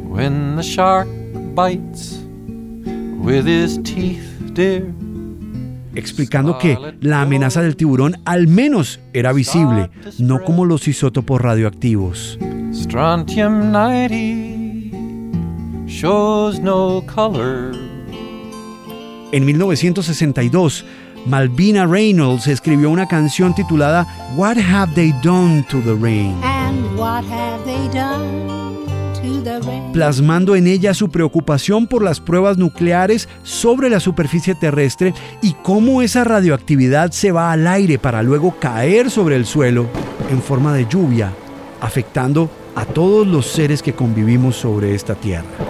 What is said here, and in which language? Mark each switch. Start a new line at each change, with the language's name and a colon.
English: When the shark bites with his teeth, dear.
Spanish: Explicando que la amenaza del tiburón al menos era visible, no como los isótopos radioactivos.
English: Strontium 90 shows no color.
Spanish: En 1962, Malvina Reynolds escribió una canción titulada What Have They Done to the Rain?
English: And what have they done to the rain?
Spanish: Plasmando en ella su preocupación por las pruebas nucleares sobre la superficie terrestre y cómo esa radioactividad se va al aire para luego caer sobre el suelo en forma de lluvia, afectando a todos los seres que convivimos sobre esta tierra.